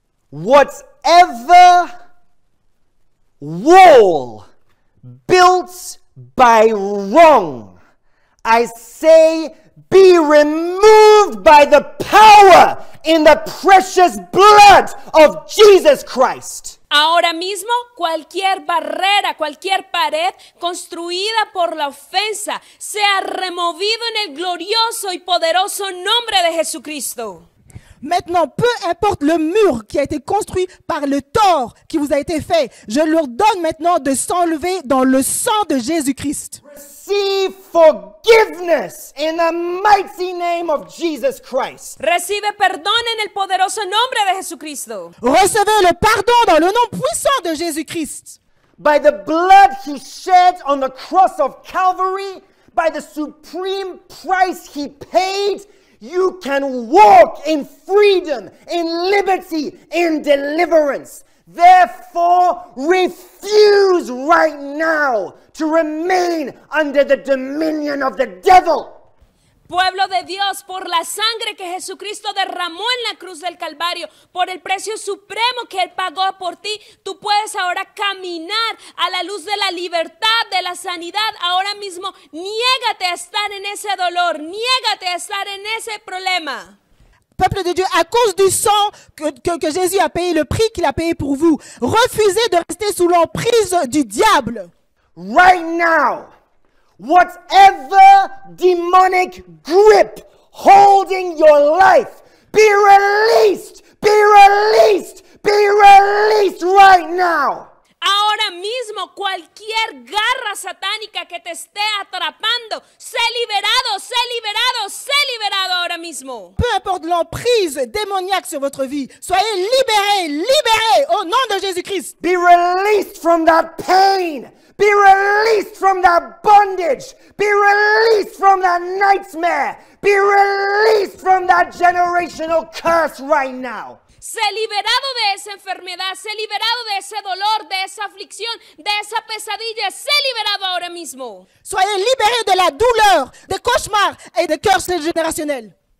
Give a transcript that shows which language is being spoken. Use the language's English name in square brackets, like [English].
[English] Whatever wall built by wrong, I say, be removed by the power in the precious blood of Jesus Christ. [Spanish] Ahora mismo, cualquier barrera, cualquier pared construida por la ofensa, sea removido en el glorioso y poderoso nombre de Jesucristo. [French] Maintenant, peu importe le mur qui a été construit par le tort qui vous a été fait, je leur donne maintenant de s'enlever dans le sang de Jésus-Christ. [English] Receive forgiveness in the mighty name of Jesus Christ. [Spanish] Recibe perdón en el poderoso nombre de Jesucristo. [French] Recevez le pardon dans le nom puissant de Jésus-Christ. [English] By the blood he shed on the cross of Calvary, by the supreme price he paid, you can walk in freedom, in liberty, in deliverance. Therefore, refuse right now to remain under the dominion of the devil. [Spanish] Pueblo de Dios, por la sangre que Jesucristo derramó en la cruz del Calvario, por el precio supremo que Él pagó por ti, tú puedes ahora caminar a la luz de la libertad, de la sanidad. Ahora mismo, niégate a estar en ese dolor, niégate a estar en ese problema. [French] Peuple de Dieu, à cause du sang que Jésus a payé, le prix qu'il a payé pour vous, refusez de rester sous l'emprise du diable. [English] Right now, whatever demonic grip holding your life, be released, be released, be released right now. [Spanish] Ahora mismo, cualquier garra satánica que te esté atrapando, sé liberado, sé liberado, sé liberado ahora mismo. [French] Peu importe l'emprise démoniaque sur votre vie, soyez libéré, libéré au nom de Jésus-Christ. [English] Be released from that pain. Be released from that bondage. Be released from that nightmare. Be released from that generational curse right now. [Spanish] Sé liberado de esa enfermedad, sé liberado de ese dolor, de esa aflicción, de esa pesadilla, sé liberado ahora mismo. [French] Soyez libéré de la douleur, des cauchemars et des curses générationnelles.